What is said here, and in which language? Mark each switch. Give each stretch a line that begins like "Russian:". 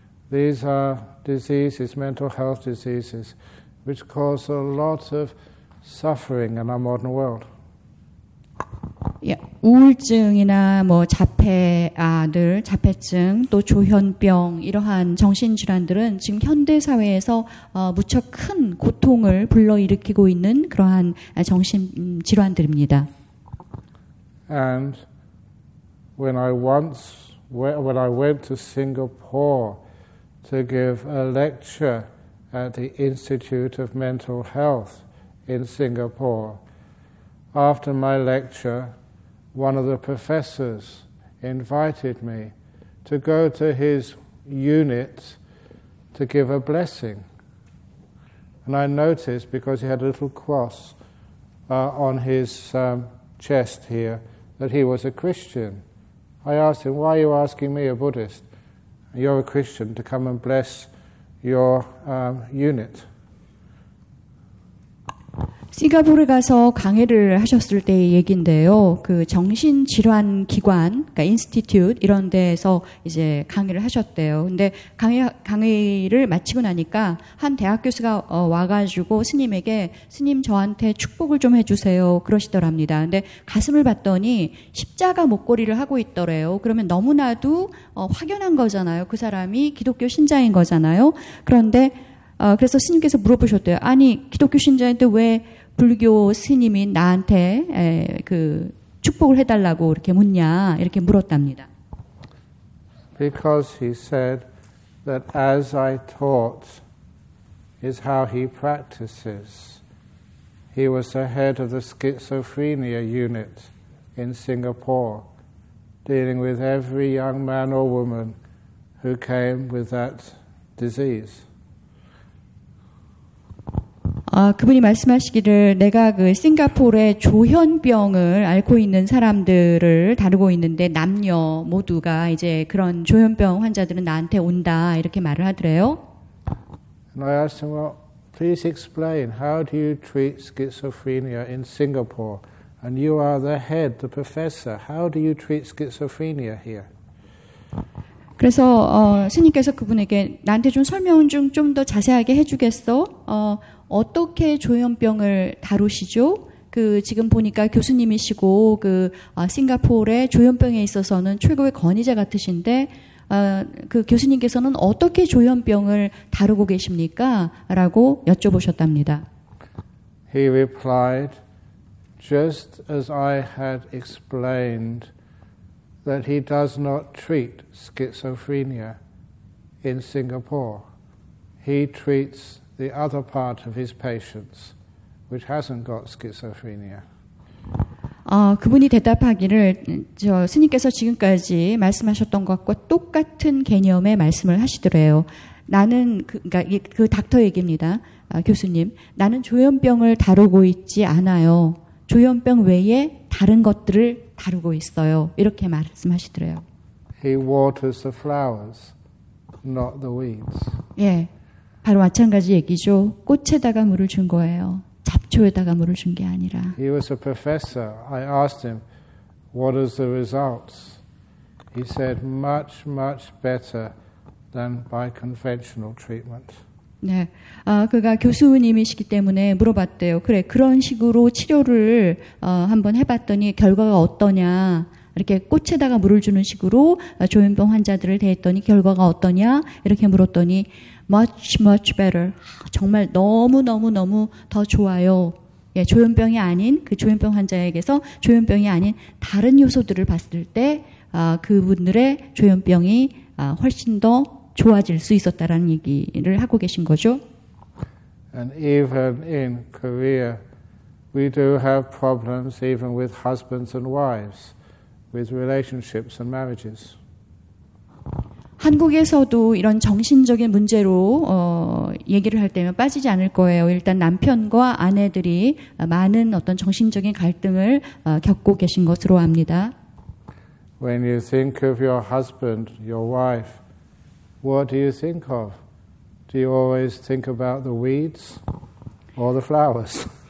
English: These are diseases, mental health diseases, which cause a lot of suffering in our modern world.
Korean: Yeah, 우울증이나 뭐 자폐아들, 자폐증, 또 조현병 이러한 정신 질환들은 지금 현대 사회에서 무척 큰 고통을 불러일으키고 있는 그러한 정신 질환들입니다.
English: And When I went to Singapore to give a lecture at the Institute of Mental Health in Singapore, after my lecture, one of the professors invited me to go to his unit to give a blessing. And I noticed, because he had a little cross on his chest here, that he was a Christian. I asked him, "Why are you asking me, a Buddhist? You're a Christian, to come and bless your unit."
Korean: 싱가포르 가서 강의를 하셨을 때의 얘긴데요. 그 정신 질환 기관, 그러니까 인스티튜트 이런 데에서 이제 강의를 하셨대요. 근데 강의를 마치고 나니까 한 대학 교수가 와 가지고 스님에게 스님 저한테 축복을 좀 해 주세요. 그러시더랍니다. 근데 가슴을 봤더니 십자가 목걸이를 하고 있더래요. 그러면 너무나도 확연한 거잖아요. 그 사람이 기독교 신자인 거잖아요. 그런데 그래서 스님께서 물어보셨대요. 아니, 기독교 신자인데 왜 불교 스님인 나한테 그 축복을 해달라고 이렇게 묻냐, 이렇게 물었답니다.
English: Because he said that as I taught is how he practices. He was the head of the schizophrenia unit in Singapore, dealing with every young man or woman who came with that disease.
Korean: 그분이 말씀하시기를 내가 그 싱가포르의 조현병을 앓고 있는 사람들을 다루고 있는데 남녀 모두가 이제 그런 조현병 환자들은 나한테 온다 이렇게 말을 하더래요.
English: And I asked him, well, please explain, how do you treat schizophrenia in Singapore? And you are the head, the professor. How do you treat schizophrenia here?
Korean: 그래서 스님께서 그분에게 나한테 좀 설명 좀 좀 더 자세하게 해주겠어? 어떻게 조현병을 다루시죠? 그 지금 보니까 교수님이시고 그 싱가포르의 조현병에 있어서는 최고의 권위자 같으신데 그 교수님께서는 어떻게 조현병을 다루고 계십니까? 라고 여쭤보셨답니다.
English: He replied, just as I had explained that he does not treat schizophrenia in Singapore. He treats the other part of his patients, which hasn't got schizophrenia.
Korean: 그분이 대답하기를 저 스님께서 지금까지 말씀하셨던 것과 똑같은 개념의 말씀을 하시더래요. 나는 그 닥터 얘기입니다. 교수님, 나는 조현병을 다루고 있지 않아요. 조현병 외에 다른 것들을 다루고 있어요. 이렇게 말씀하시더래요.
English: He waters the flowers, not the weeds.
Korean: 예. 바로 마찬가지 얘기죠. 꽃에다가 물을 준 거예요. 잡초에다가 물을 준 게 아니라.
English: He was a professor. I asked him, what are the results? He said, much, much better than by conventional treatment.
Korean: 네. 그가 교수님이시기 때문에 물어봤대요. 그래, 그런 식으로 치료를 한번 해봤더니 결과가 어떠냐. 이렇게 꽃에다가 물을 주는 식으로 조현병 환자들을 대했더니 결과가 어떠냐. 이렇게 물었더니
English: much, much better.
Korean: 정말 너무너무너무 더 좋아요. 예, 조현병이 아닌 그 조현병 환자에게서 조현병이 아닌 다른 요소들을 봤을 때 그분들의 조현병이 훨씬 더 좋아질 수 있었다라는 얘기를 하고 계신 거죠.
English: And even in Korea, we do have problems even with husbands and wives, with relationships and marriages.
Korean: 한국에서도 이런 정신적인 문제로 얘기를 할 때면 빠지지 않을 거예요. 일단 남편과 아내들이 많은 어떤 정신적인 갈등을 겪고 계신 것으로 압니다.
English: When you think of your husband, your wife, what do you think of? Do you always think about the weeds or the flowers?